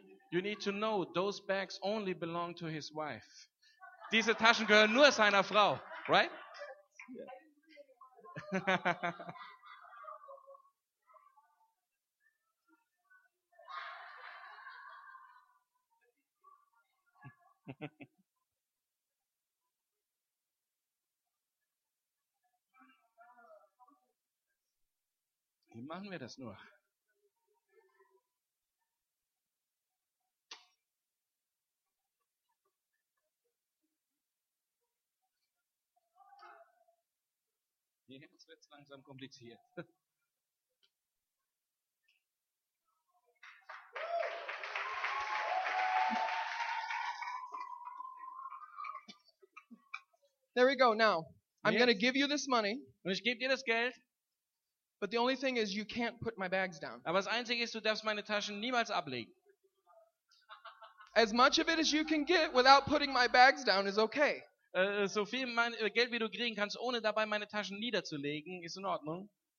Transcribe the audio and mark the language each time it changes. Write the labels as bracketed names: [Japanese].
[English] You need to know those bags only belong to his wife. [German] Diese Taschen gehören nur seiner Frau, [English] right? Yeah. [German] Wie machen wir das nur? Jetzt wird es langsam kompliziert. [English] There we go. Now, I'm going to give you this money. [German] Und ich gebe dir das Geld. [English] But the only thing is, you can't put my bags down. [German] Aber das Einzige ist, du darfst meine Taschen niemals ablegen. [English] As much of it as you can get without putting my bags down is okay. [German] So viel Geld, wie du kriegen kannst, ohne dabei meine Taschen niederzulegen, ist in Ordnung.